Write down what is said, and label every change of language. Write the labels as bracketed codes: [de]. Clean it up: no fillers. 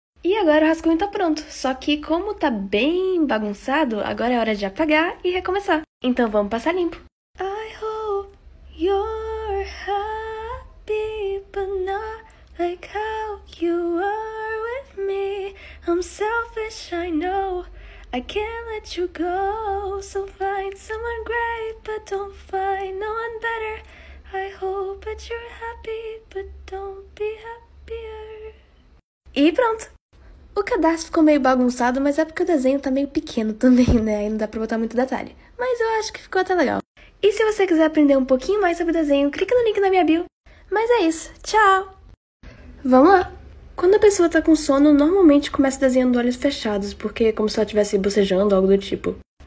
[pt] E agora o rascunho tá pronto. Só que como tá bem bagunçado, agora é hora de apagar e recomeçar. Então vamos passar limpo. [en] I hope you're happy, but not like how you are with me. I'm selfish, I know. I can't let you go, so find someone great, but don't find no one better. I hope that you're happy, but don't be happier. [pt] E pronto! O cadarço ficou meio bagunçado, mas é porque o desenho tá meio pequeno também, né? E não dá pra botar muito detalhe. Mas eu acho que ficou até legal. E se você quiser aprender um pouquinho mais sobre o desenho, clica no link na minha bio. Mas é isso, tchau! Vamos lá! Quando a pessoa tá com sono, normalmente começa desenhando olhos fechados, porque é como se ela estivesse bocejando, algo do tipo.